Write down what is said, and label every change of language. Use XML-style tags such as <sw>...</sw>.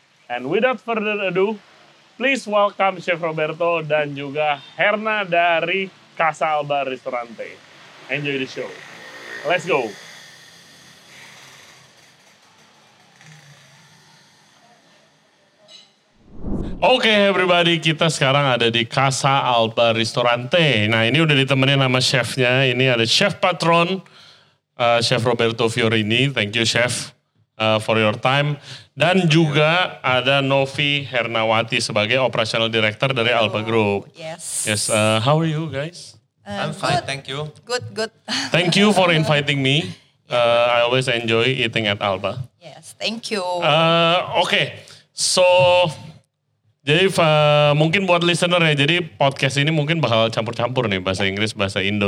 <en>And without further ado, please welcome Chef Roberto</en> <id>dan juga</id> <en>Herna dari Casa Alba Ristorante. Enjoy the show. Let's go.</en> <id>Oke, everybody, kita sekarang ada di Casa Alba Ristorante. Nah, ini udah ditemenin sama chefnya. Ini ada Chef Patron, Chef Roberto Fiorini.</id> <en>Thank you, Chef, for your time.</en> <id>Dan juga ada Novi Hernawati sebagai Operational Director dari Alba Group.</id> <en>Yes. How are you guys? I'm fine, good. Thank you. Good. Thank you for inviting me. I always enjoy eating at Alba. Yes, thank you. Okay, so...</en> <id>Jadi mungkin buat listener ya, jadi podcast ini mungkin bakal campur-campur nih bahasa Inggris, bahasa Indo.</id>